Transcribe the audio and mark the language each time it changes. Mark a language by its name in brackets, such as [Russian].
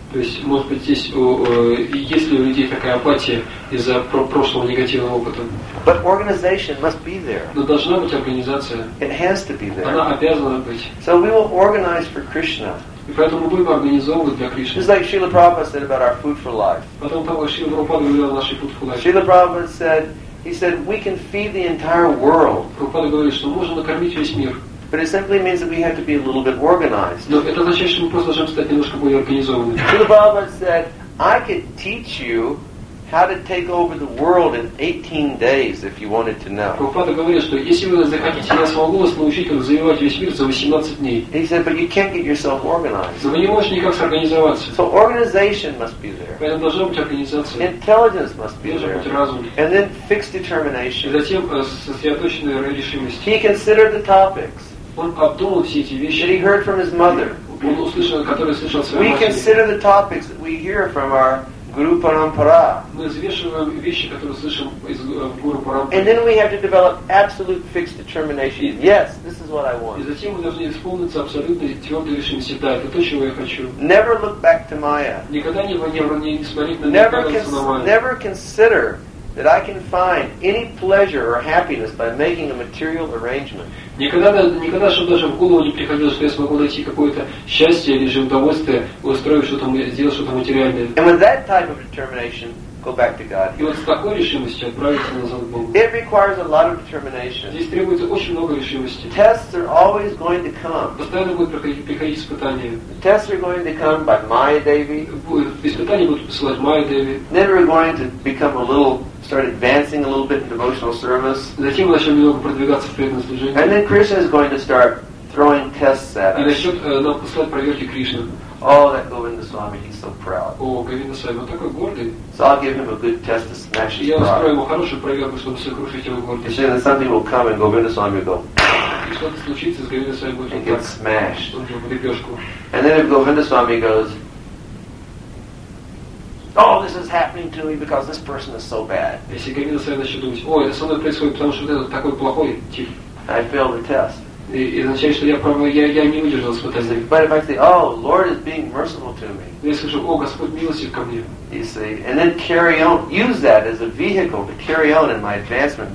[Russian] То есть, может быть, есть ли у людей такая апатия из-за прошлого негативного опыта? [English] But organization must be there. [Russian] Но должна быть организация. [English] It has to be there. [Russian] Она обязана быть. [English] So we will organize for Krishna. [Russian] И поэтому мы будем организовывать для Кришны. [English] Just like Srila Prabhupada said about our food for life. [Russian] Потом того, Srila Prabhupada говорил о нашей food for life. [English] Srila Prabhupada said, he said, we can feed the entire world. [Russian] Прабхупада говорит, что можно накормить весь мир. [English] But it simply means that we have to be a little bit organized. [Russian] Но это означает, что мы просто должны стать немножко более организованными. [English] Srila Prabhupada said, I could teach you how to take over the world in 18 days if you wanted to know. [Russian] Прабхупада говорил, что если вы захотите, я смогу вас научить, как завоевать весь мир за 18 дней. [English] He said, but you can't get yourself organized. [Russian] Но вы не можете никак сорганизоваться. [English] So organization must be there. [Russian] Поэтому должна быть организация. [English] Intelligence must be there. [Russian] Должен быть разум. [English] And then fixed determination. [Russian] И затем сосредоточенная решимость. [English] He considered the topics. [Russian] Он обдумал все эти вещи. [English] That he heard from his mother. [Russian] Он услышал, который слышал от своей матери. [English] We consider the topics that we hear from our Guru Parampara. [Russian] Мы взвешиваем вещи, которые слышим из Гуру Парампара. [English] And then we have to develop absolute fixed determination. Yes, this is what I want. [Russian] И затем мы должны исполниться абсолютно твердой решимости. Да, это то, чего я хочу. [English] Never look back to Maya. [Russian] Никогда не смотреть на Maya. [English] Never consider that I can find any pleasure or happiness by making a material arrangement. [Russian] Никогда, чтобы даже в голову не приходило, что я смогу найти какое-то счастье или же удовольствие, устроив что-то, сделав что-то материальное. [English] And with that type of determination, go back to God. [Russian] И вот с такой решимостью отправиться назад к Богу. [English] It requires a lot of determination. [Russian] Здесь требуется очень много решимости. [English] Tests are always going to come. [Russian] Постоянно будут приходить испытания. [English] Tests are going to come by Maya Devi. [Russian] Испытания будут посылать Maya Devi. [English] Then we're going to become a little, start advancing a little bit in devotional service. [Russian] Затем мы начнем немного продвигаться в преданном служении. [English] And then Krishna is going to start throwing tests at us. [Russian] И начнет нам посылать проверки Кришна. [English] Oh, that Govinda Swami, he's so proud. [Russian] О, Говинда Свами, он такой гордый. [English] So I'll give him a good test to smash his pride. [Russian] Я устрою ему хорошую проверку, чтобы сокрушить его гордость. [English] And then something will come and Govinda Swami will go. [Russian] И что-то случится с Говинда Свами, будет [English] and get smashed. [Russian] В лепешку. [English] And then if Govinda Swami goes, oh, this is happening to me because this person is so bad. [Russian] Если Говинда Свами начнет думать, ой, это со мной происходит, потому что этот такой плохой тип. [English] I failed the test. [Russian] И означает, что я не выдержал испытания. [English] But if I say, oh, Lord is being merciful to me. [Russian] Я скажу, о, Господь милостив ко мне. [English] You see, and then carry on, use that as a vehicle to carry on in my advancement